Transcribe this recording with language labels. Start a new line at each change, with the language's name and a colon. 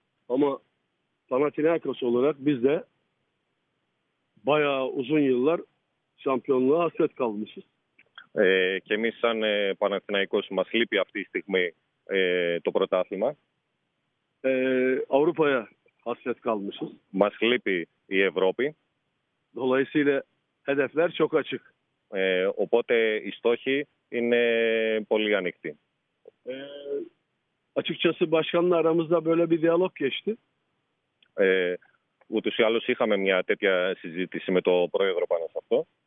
Turkish: Ama Panathinaikos olarak biz de bayağı uzun yıllar şampiyonluğa hasret kalmışız.
Greek: Και εμείς σαν Panathinaikos μας λείπει αυτή τη στιγμή το πρωτάθλημα.
Turkish: Avrupa'ya hasret kalmışız.
Greek: Μας λείπει η Ευρώπη.
Turkish: Dolayısıyla hedefler çok açık.
Greek: Οπότε οι στόχοι είναι πολύ ανοιχτοί.
Turkish: Açıkçası başkanla aramızda böyle bir diyalog geçti.
Greek: Ούτως ή άλλως είχαμε μια τέτοια συζήτηση με τον πρόεδρο πάνω σε αυτό.